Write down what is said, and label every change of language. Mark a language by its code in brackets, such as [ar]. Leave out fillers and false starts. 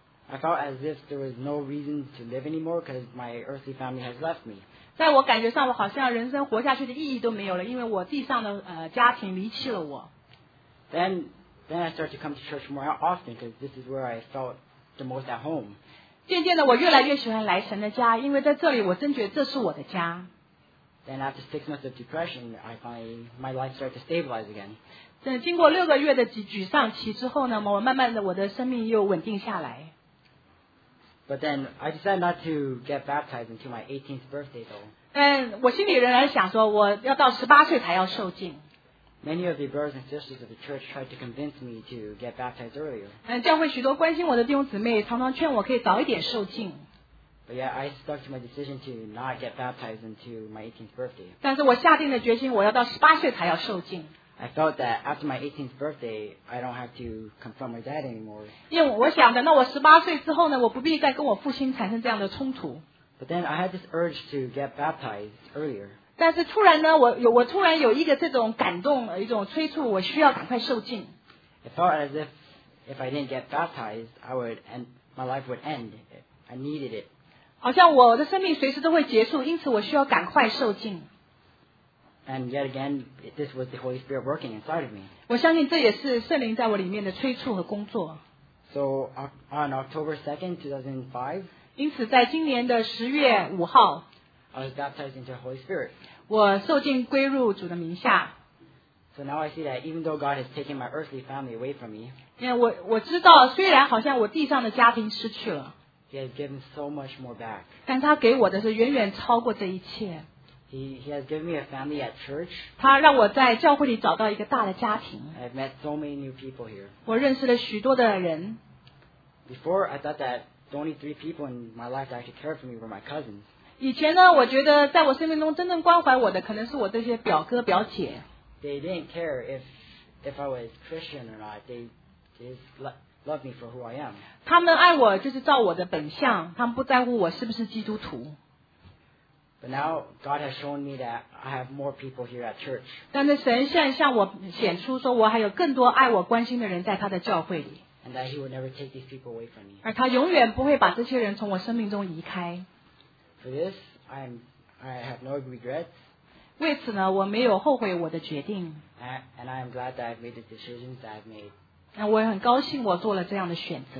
[en] I felt as if there was no reason to live anymore because my earthly family has left me. [zh] 在我感觉上，我好像人生活下去的意义都没有了，因为我地上的家庭离弃了我。 [en] Then I started to come to church more often because this is where I felt the most at home. [zh] 渐渐的，我越来越喜欢来神的家，因为在这里我真觉得这是我的家。 [en] Then after 6 months of depression, I finally my life started to stabilize again. [zh] 经过6个月的沮丧期之后呢，我慢慢的我的生命又稳定下来。 [en] But then I decided not to get baptized until my 18th birthday, though. [zh] 但我心里仍然想说，我要到18岁才要受浸。 [en] Many of the brothers and sisters of the church tried to convince me to get baptized earlier. [zh] 教会许多关心我的弟兄姊妹常常劝我可以早一点受浸。 [en] But yet I stuck to my decision to not get baptized until my 18th birthday. [zh] 但是我下定的决心，我要到18岁才要受浸。 [en] I felt that after my 18th birthday, I don't have to confront my dad anymore. [zh] 因为我想，等到我18岁之后呢，我不必再跟我父亲产生这样的冲突。 [en] But then I had this urge to get baptized earlier. [zh] 但是突然呢，我突然有一个这种感动，一种催促，我需要赶快受浸。 [en] It felt as if I didn't get baptized, my life would end. I needed it. [zh] 好像我的生命随时都会结束，因此我需要赶快受浸。 [en] And yet again, this was the Holy Spirit working inside of me. [zh] 我相信这也是圣灵在我里面的催促和工作。 [en] So on October 2nd, 2005, [zh] 因此在今年的10月5号, [en] I was baptized into the Holy Spirit. [zh] 我受浸归入主的名下。 [en] So now I see that even though God has taken my earthly family away from me, [zh] 我知道虽然好像我地上的家庭失去了, [en] He has given so much more back. [zh] 但他给我的是远远超过这一切。 [en] He has given me a family at church. [zh] 他让我在教会里找到一个大的家庭。 [en] I've met so many new people here. [zh] 我认识了许多的人。 [en] Before, I thought that the only three people in my life that actually cared for me were my cousins. [zh] 以前呢，我觉得在我生命中真正关怀我的可能是我这些表哥表姐。 [en] They didn't care if I was Christian or not. They loved me for who I am. [zh] 他们爱我就是照我的本相，他们不在乎我是不是基督徒。 [en] But now God has shown me that I have more people here at church. [zh] 但是神现在向我显出说我还有更多爱我关心的人在他的教会里。 [en] And that he will never take these people away from me. [zh] 而他永远不会把这些人从我生命中移开。 [en] For this, I have no regrets. [zh] 为此呢，我没有后悔我的决定。 [en] And I am glad that I've made the decisions that I've made. [zh] 那我也很高兴我做了这样的选择。